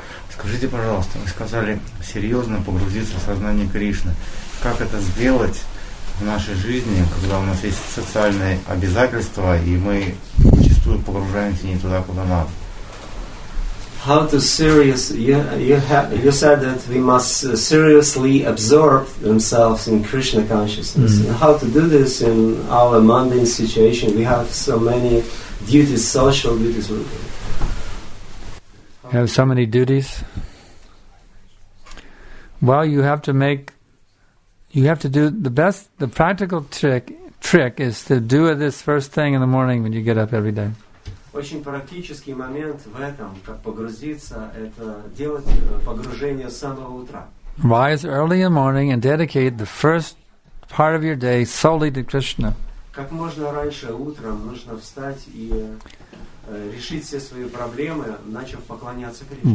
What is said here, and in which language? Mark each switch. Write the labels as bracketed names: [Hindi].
[Russian] Скажите, пожалуйста, вы сказали серьезно погрузиться в сознание Кришны. Как это сделать в нашей жизни, когда у нас есть социальные обязательства, и мы зачастую погружаемся не туда, куда надо? [English] How to serious? You said that we must seriously absorb themselves in Krishna consciousness. Mm-hmm. How to do this in our mundane situation? We have so many duties, social duties. You have so many duties. Well, you have to do the best. The practical trick is to do this first thing in the morning when you get up every day. [Russian] Очень практический момент в этом, как погрузиться, это делать погружение с самого утра. [English] Rise early in the morning and dedicate the first part of your day solely to Krishna. [Russian] Как можно раньше утром нужно встать и решить все свои проблемы, начав поклоняться Кришне.